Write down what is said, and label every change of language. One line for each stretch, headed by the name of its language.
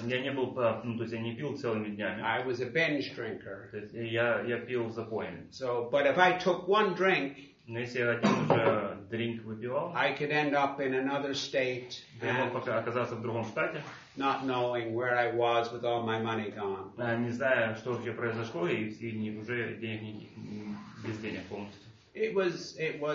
Russian: Я не был, ну, то есть я не пил целыми днями.
English: I was a binge drinker.
Russian: То есть я пил запоем.
English: So, but if I took one drink.
Russian: Но если я один уже дринк выпивал,
English: I could end up in another state.
Russian: Я мог пока оказаться в другом штате.
English: Not knowing where I was with all my money gone.
Russian: Не зная, что вообще произошло, и не уже денег без денег полностью.